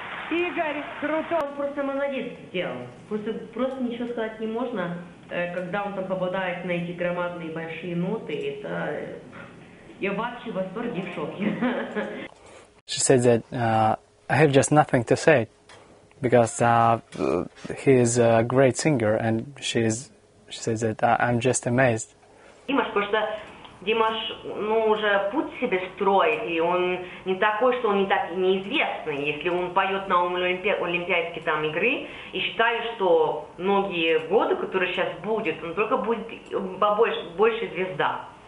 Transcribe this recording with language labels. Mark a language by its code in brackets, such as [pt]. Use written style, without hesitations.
[ru] Игорь, круто, он просто молодец сделал. Просто ничего сказать не можно, когда он там попадает на эти громадные большие ноты. Это я вообще в восторге, в шоке. [en] She said that I have just nothing to say, because he is a great singer and she is. She says that I'm just amazed. [ru] Димаш, просто Димаш, ну, уже путь себе строит, и он не такой, что он не так неизвестный. Если он поет на Олимпиадской там игры, и считаю, что многие годы, которые сейчас будут, он только будет больше звезда.